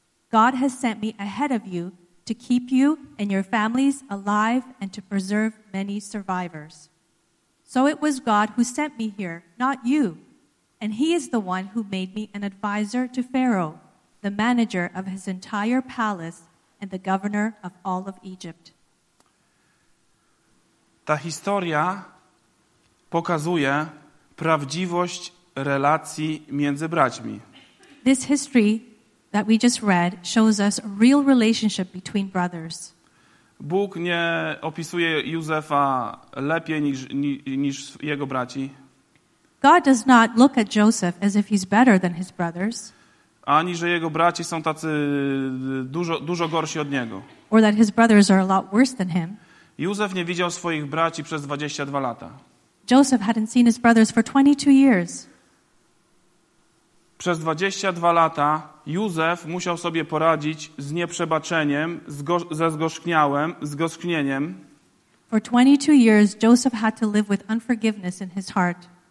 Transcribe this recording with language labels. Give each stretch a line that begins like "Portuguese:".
English: God has sent me ahead of you to keep you and your families alive and to preserve many survivors. So it was God who sent me here, not you. And he is the one who made me an advisor to Pharaoh, the manager of his entire palace and the governor of all of Egypt.
Polish: Ta historia pokazuje prawdziwość relacji między braćmi.
English: This history that we just read shows us a real relationship between brothers.
Polish: Bóg nie opisuje Józefa lepiej niż jego braci.
English: God does not look at Joseph as if he's better than his brothers.
Polish: Ani że jego braci są tacy dużo gorsi od niego.
English: Or that his brothers are a lot worse than him.
Polish: Józef nie widział swoich braci przez 22 lata.
English: Joseph hadn't seen his brothers for 22 years.
Polish: Przez 22 lata Józef musiał sobie poradzić z nieprzebaczeniem, ze zgorzknieniem.
English: For 22 years Joseph had to live with unforgiveness in his heart.